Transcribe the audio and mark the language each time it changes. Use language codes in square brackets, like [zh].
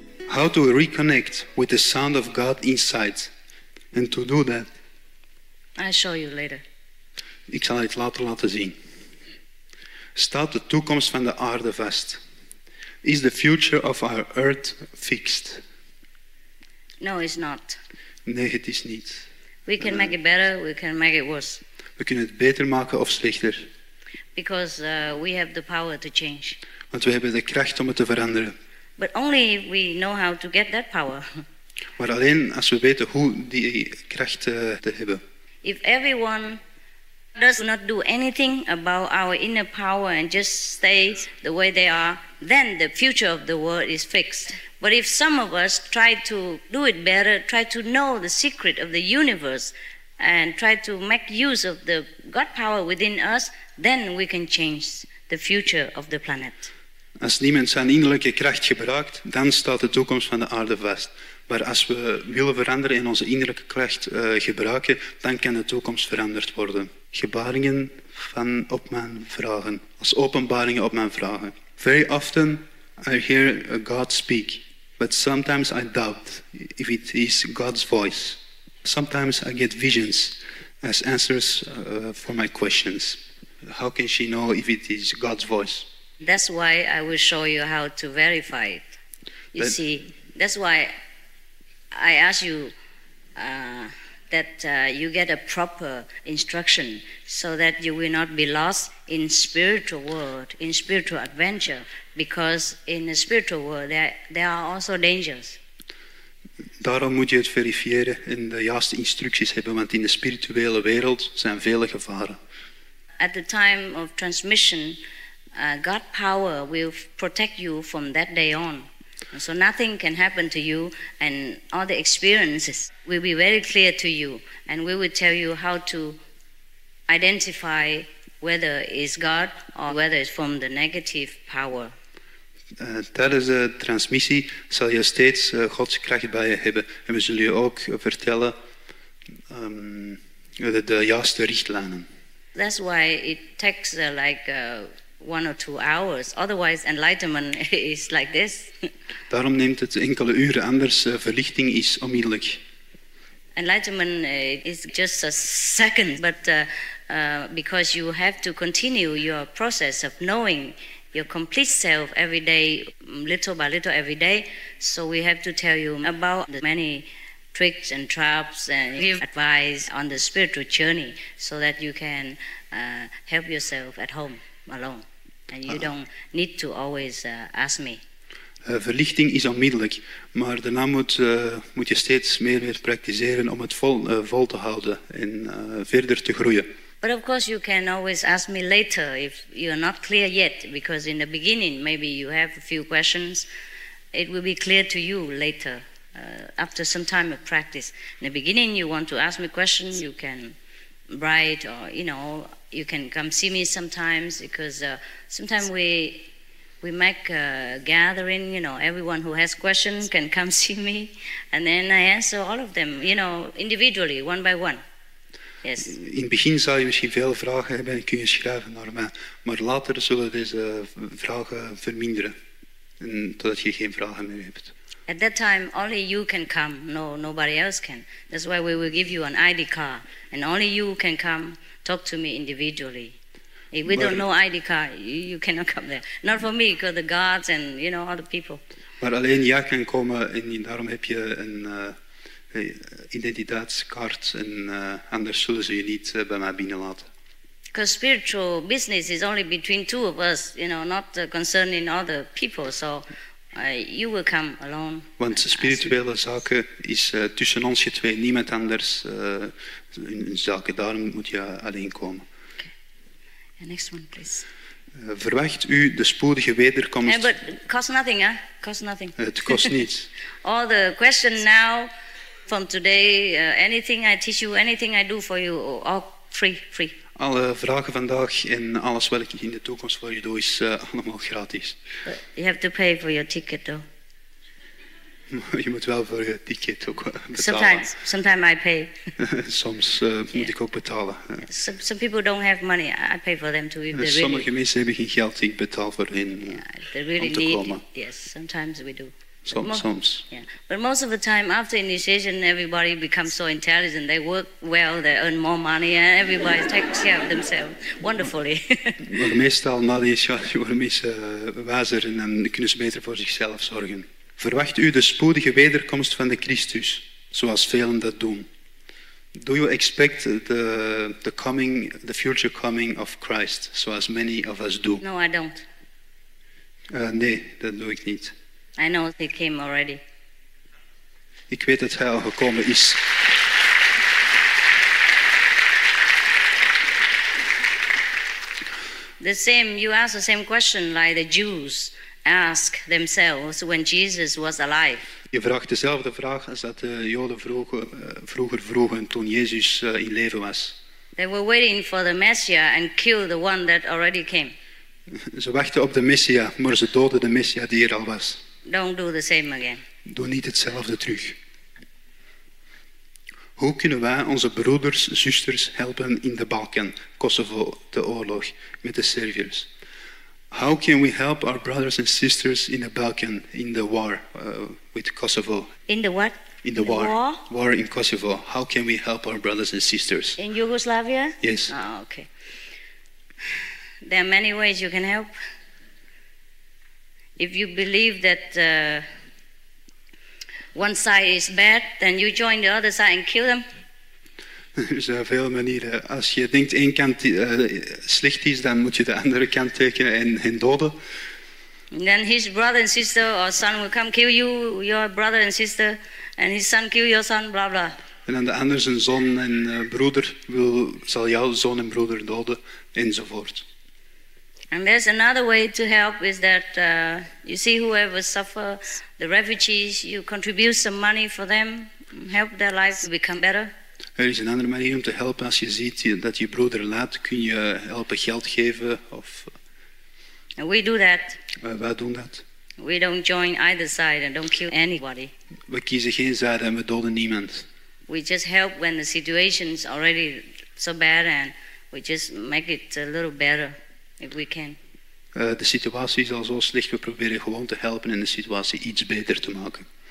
[en] how to reconnect with the sound of God inside. And to do that, I'll show you later. [nl] Ik zal het later laten zien. Staat de toekomst van de aarde vast? [en] Is the future of our earth fixed? No, it's not. [nl] Nee, het is niet. [en] We can make it better, we can make it worse. [nl] We kunnen het beter maken of slechter. [en] Because we have the power to change. [nl] Want we hebben de kracht om het te veranderen. [en] But only if we know how to get that power. [nl] Maar alleen als we weten hoe die kracht te hebben. [en] If everyone does not do anything about our inner power and just stay the way they are, then the future of the world is fixed. But if some of us try to do it better, try to know the secret of the universe and try to make use of the God power within us, then we can change the future of the planet. [nl] Als niemand zijn innerlijke kracht gebruikt, dan staat de toekomst van de aarde vast. Maar als we willen veranderen en onze innerlijke kracht gebruiken, dan kan de toekomst veranderd worden. Gebaringen van op mijn vragen. Als openbaringen op mijn vragen. [en] Very often I hear God speak, but sometimes I doubt if it is God's voice. Sometimes I get visions as answers for my questions. How can she know if it is God's voice? That's why I will show you how to verify it. You see, that's why I ask you that you get a proper instruction so that you will not be lost in spiritual world, in spiritual adventure, because in the spiritual world there are also dangers. [nl] Daarom moet je het verifiëren en de juiste instructies hebben, want in de spirituele wereld zijn vele gevaren. [en] At the time of transmission, God power will protect you from that day on. So nothing can happen to you, and all the experiences will be very clear to you, and we will tell you how to identify whether it's God or whether it's from the negative power. [nl] Tijdens de transmissie zal je steeds Gods kracht bij je hebben, en we zullen je ook vertellen de juiste richtlijnen. [en] That's why it takes one or two hours. Otherwise, enlightenment is like this. [nl] Daarom neemt het enkele uren, anders verlichting is onmiddellijk. [en] Enlightenment is just a second, but because you have to continue your process of knowing your complete self every day, little by little every day, so we have to tell you about the many tricks and traps and give advice on the spiritual journey so that you can help yourself at home alone. And you don't need to always ask me. [nl] Verlichting is onmiddellijk, maar daarna moet je steeds meer praktiseren om het vol te houden en verder te groeien. [en] But of course you can always ask me later if you're not clear yet, because in the beginning maybe you have a few questions. It will be clear to you later, after some time of practice. In the beginning you want to ask me questions, you can write or, you know, you can come see me sometimes, because sometimes we make a gathering, you know, everyone who has questions can come see me, and then I answer all of them, you know, individually, one by one. Yes. [nl] In het begin zou je misschien veel vragen hebben en kun je schrijven naar mij, maar later zullen deze vragen verminderen, en totdat je geen vragen meer hebt. [en] At that time, only you can come. No, nobody else can. That's why we will give you an ID card, and only you can come talk to me individually. If we don't know ID card, you cannot come there. Not for me, because the guards and, you know, all the people. [nl] Maar alleen jij kan komen, en daarom heb je een identiteitskaart, en anders zullen ze je niet bij mij binnenlaten. [en] Because spiritual business is only between two of us, you know, not concerning other people, so you will come alone. [nl] Want spirituele zaken is tussen ons je twee, niemand anders in zaken, daarom moet je alleen komen. [en] Okay. Yeah, next one, please. [nl] Verwacht u de spoedige wederkomst? [en] Yeah, but cost nothing, huh? Cost nothing. [nl] Het kost niets. [en] All the question now, from today, anything I teach you, anything I do for you, all free. [nl] Alle vragen vandaag en alles wat ik in de toekomst voor je doe, is allemaal gratis. [en] But you have to pay for your ticket, though. [nl] Je moet wel voor je ticket ook betalen. [en] Sometimes I pay. [nl] Soms moet ik ook betalen. [en] Some people don't have money. I pay for them too. [nl] Sommige mensen hebben geen geld. Ik betaal voor hen om te komen. [en] Yes, sometimes we do. Sometimes. But most of the time, after initiation, everybody becomes so intelligent. They work well, they earn more money, and everybody takes care of themselves wonderfully. [nl] Maar meestal na de initiatie worden mensen wijzer en dan kunnen ze beter voor zichzelf zorgen. Verwacht u de spoedige wederkomst van de Christus, zoals velen dat doen? [en] Do you expect the future coming of Christ, [nl] zoals [en] many of us do? No, I don't. [nl] Nee, dat doe ik niet. [en] I know he came already. [nl] Ik weet dat hij al gekomen is. [en] The same, you ask the same question like the Jews ask themselves when Jesus was alive. [nl] Je vraagt dezelfde vraag als dat de Joden vroeger vroegen toen Jezus in leven was. [en] They were waiting for the Messiah and killed the one that already came. [nl] Ze wachten op de Messia, maar ze doden de Messia die er al was. [en] Don't do the same again. [nl] Doe niet hetzelfde terug. Hoe kunnen wij onze broeders, zusters helpen in de Balkan, Kosovo, de oorlog met de Serviërs? [en] How can we help our brothers and sisters in the Balkan in the war with Kosovo? In the what? In the war. War in Kosovo. How can we help our brothers and sisters? In Yugoslavia? Yes. Oh, okay. There are many ways you can help. If you believe that one side is bad, then you join the other side and kill them. [nl] Er zijn veel manieren. Als je denkt één kant slecht is, dan moet je de andere kant tekenen en hen doden. [en] Then his brother and sister or son will come kill you, your brother and sister, and his son kill your son, blah blah. [nl] En dan de ander zijn zoon en broeder zal jouw zoon en broeder doden enzovoort. [en] And there's another way to help is that you see whoever suffer, the refugees, you contribute some money for them, help their lives become better. [nl] Er is een andere manier om te helpen als je ziet dat je broeder laat, kun je helpen geld geven of. [en] We do that. [nl] Wij doen dat. [en] We don't join either side and don't kill anybody. [nl] We kiezen geen zijde en we doden niemand. [en] We just help when the situation is already so bad and we just make it a little better if we can. [nl] De situatie is al zo slecht, we proberen gewoon te helpen en de situatie iets beter te maken.